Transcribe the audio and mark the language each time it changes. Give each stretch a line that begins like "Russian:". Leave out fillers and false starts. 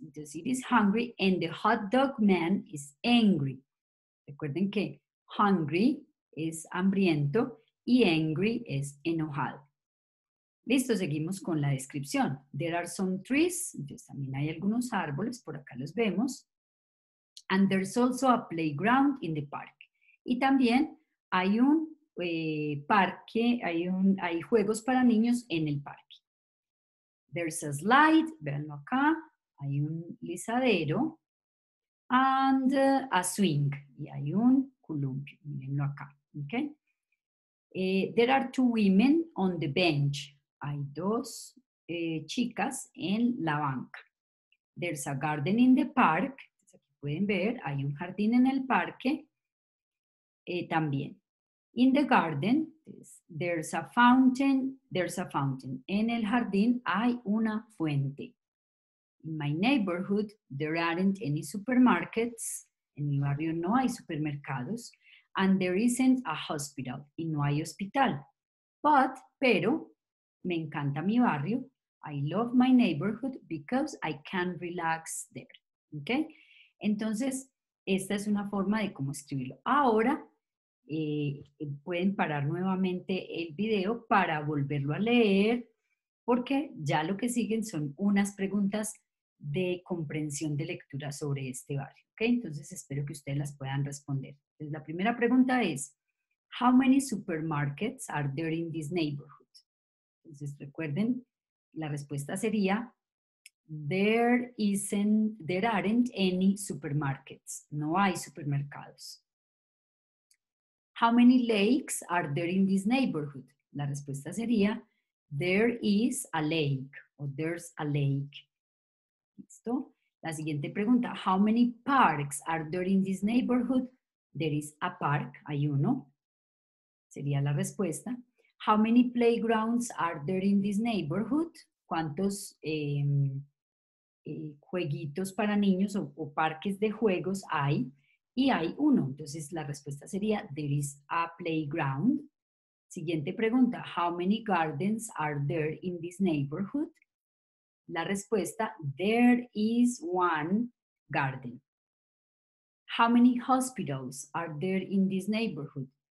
English: Entonces, it is hungry and the hot dog man is angry.
Spanish: Recuerden que hungry es hambriento y angry es enojado. Listo, seguimos con la descripción.
English: There are some trees.
Spanish: Entonces, también hay algunos árboles, por acá los vemos.
English: And there's also a playground in the park.
Spanish: Y también hay un parque, hay juegos para niños en el parque.
English: There's a slide,
Spanish: véanlo acá. Hay un lisadero.
English: And a swing.
Spanish: Y hay un columpio, mírenlo acá.
English: Okay. There are two women on the bench.
Spanish: Hay dos chicas en la banca.
English: There's a garden in the park.
Spanish: Aquí pueden ver, hay un jardín en el parque.
English: También. In the garden, there's a fountain.
Spanish: En el jardín hay una fuente.
English: In my neighborhood, there aren't any supermarkets.
Spanish: En mi barrio no hay supermercados.
English: And there isn't a hospital.
Spanish: Y no hay hospital. Pero me encanta mi barrio.
English: I love my neighborhood because I can relax there. ¿Okay?
Spanish: Entonces, esta es una forma de cómo escribirlo. Ahora, pueden parar nuevamente el video para volverlo a leer, porque ya lo que siguen son unas preguntas de comprensión de lectura sobre este barrio. ¿Okay? Entonces, espero que ustedes las puedan responder. Entonces, la primera pregunta es,
English: how many supermarkets are there in this neighborhood?
Spanish: Entonces recuerden, la respuesta sería,
English: there aren't any supermarkets.
Spanish: No hay supermercados.
English: How many lakes are there in this neighborhood?
Spanish: La respuesta sería,
English: there is a lake, o there's a lake. ¿Listo?
Spanish: La siguiente pregunta,
English: how many parks are there in this neighborhood? There is a park,
Spanish: hay uno. Sería la respuesta.
English: How many playgrounds are there in this neighborhood?
Spanish: ¿Cuántos jueguitos para niños o parques de juegos hay? Y hay uno. Entonces, la respuesta sería,
English: there is a playground.
Spanish: Siguiente pregunta,
English: how many gardens are there in this neighborhood?
Spanish: La respuesta,
English: there is one garden. How many hospitals are there in this neighborhood?